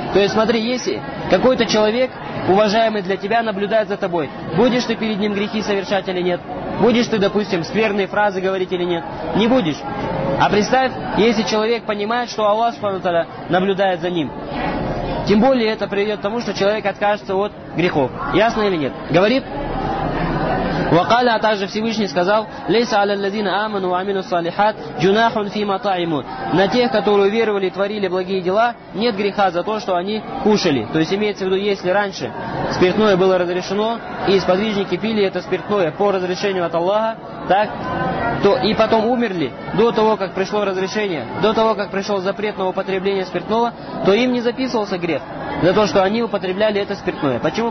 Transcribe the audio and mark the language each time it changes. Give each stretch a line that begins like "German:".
Russian: То есть смотри, если какой-то человек, уважаемый для тебя, наблюдает за тобой, будешь ты перед ним грехи совершать или нет? Будешь ты, допустим, скверные фразы говорить или нет? Не будешь. А представь, если человек понимает, что Аллах Субхану ва Тааля наблюдает за ним. Тем более это приведет к тому, что человек откажется от грехов. Ясно или нет? Говорит...
Arabic: وقال
Russian: также Всевышний сказал:
Arabic: ليس على الذين آمنوا وعملوا الصالحات جناح في مطاعم.
Russian: На тех, которые веровали и творили благие дела, нет греха за то, что они кушали. То есть имеется в виду, если раньше спиртное было разрешено и сподвижники пили это спиртное по разрешению от Аллаха, так, то и потом умерли до того, как пришло разрешение, до того, как пришел запрет на употребление спиртного, то им не записывался грех за то, что они употребляли это спиртное. Почему?